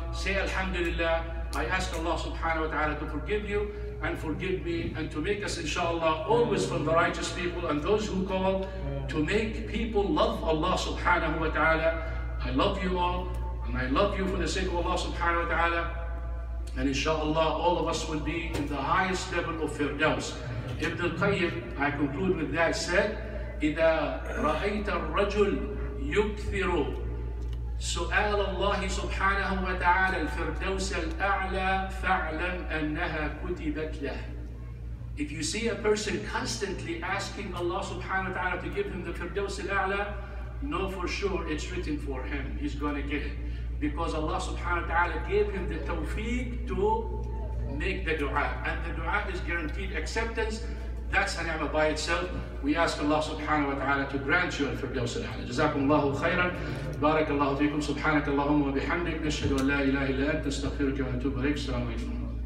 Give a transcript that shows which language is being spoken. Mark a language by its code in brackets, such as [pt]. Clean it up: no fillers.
[en] Say alhamdulillah. I ask Allah subhanahu wa ta'ala to forgive you and forgive me and to make us inshallah always from the righteous people and those who call to make people love Allah subhanahu wa ta'ala. I love you all and I love you for the sake of Allah subhanahu wa ta'ala. And inshallah all of us will be in the highest level of firdaus. [ar] Ibn al-Qayyim, [en] I conclude with that, said, [ar] إِذَا رَأَيْتَ الرَّجُلْ يُكْثِرُ سؤال الله سبحانه وتعالى الفردوس الأعلى فاعلم أنها كتبت له. [en] If you see a person constantly asking Allah subhanahu wa ta'ala to give him the firdaus al-A'la, know for sure it's written for him. He's going to get it. Because Allah subhanahu wa ta'ala gave him the tawfiq to make the dua. And the dua is guaranteed acceptance. That's an ni'mah by itself. We ask Allah subhanahu wa ta'ala to grant you al firdaus al-A'la. Jazakum Allahu khayran. [ar] بارك الله فيكم سبحانك اللهم وبحمدك نشهد ان لا اله الا انت استغفرك واتوب اليك السلام عليكم